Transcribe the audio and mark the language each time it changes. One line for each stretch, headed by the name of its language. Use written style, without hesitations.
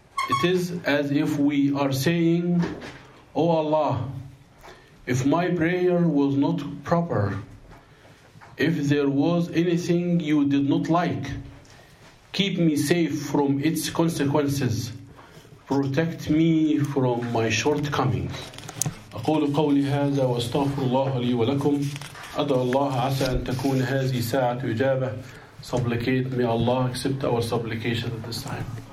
English: It is as if we are saying, O Allah, if my prayer was not proper, if there was anything you did not like, keep me safe from its consequences. Protect me from my shortcomings.
Arabic: أقول قولي هذا واستغفر الله لي ولكم. أدعو الله عسى أن تكون هذه ساعة إجابة.
English: Supplicate, may Allah accept our supplication at this time.